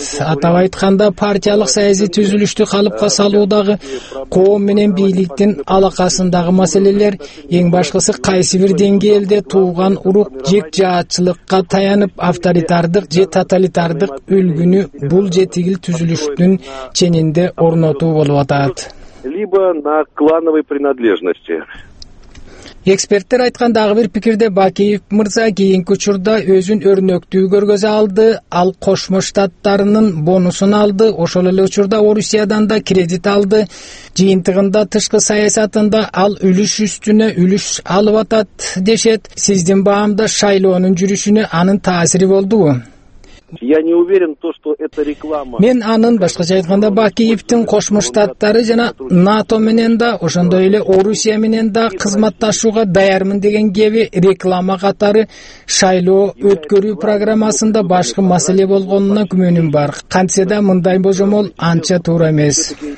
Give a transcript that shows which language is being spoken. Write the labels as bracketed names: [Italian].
[Kyrgyz] Атап айтканда партиялык саясий түзүлүштү калыпка салуудагы, коом менен бийликтин алакасындагы маселелер, эң башкысы кайсы бир деңгээлде тууган урук жек жаатчылыкка таянып авторитардык же тоталитардык үлгүнү бул же тигил түзүлүштүн ченинде орнотуу болуп атат. [Russian] Либо на клановой принадлежности. [Kyrgyz] Эксперттер айткан дагы бир пикирде Бакиев мырза кийинки учурда өзүн өрнөктүү көргөзө алды, ал Кошмо Штаттарынын бонусун алды, ошол эле учурда Орусиядан да кредит алды. Жыйынтыгында тышкы саясатында ал үлүш үстүнө үлүш алып атат дешет. Сиздин баамда шайлоонун жүрүшүнө анын таасири болдубу? [Russian] Я не уверен, что это реклама. [Kyrgyz] Мен анын башкача айтканда Бакиевдин Кошмо Штаттары жана НАТО менен да ошондой эле Орусия менен да кызматташууга даярмын деген кеби реклама катары шайлоо өткөрүү программасында башкы маселе болгонуна күмөнүм бар. Кантсе да мындай божомол анча туура эмес.